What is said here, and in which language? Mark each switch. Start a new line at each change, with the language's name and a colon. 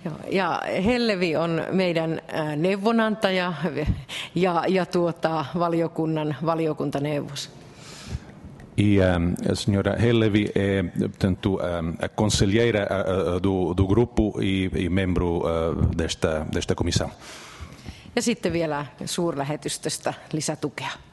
Finnish: Ja Hellevi on meidän neuvonantaja ja valiokunnan valiokuntaneuvos.
Portuguese: E a senhora Hellevi é, portanto, a conselheira do grupo e membro desta comissão.
Finnish: Ja sitten vielä suurlähetystöstä lisätukea.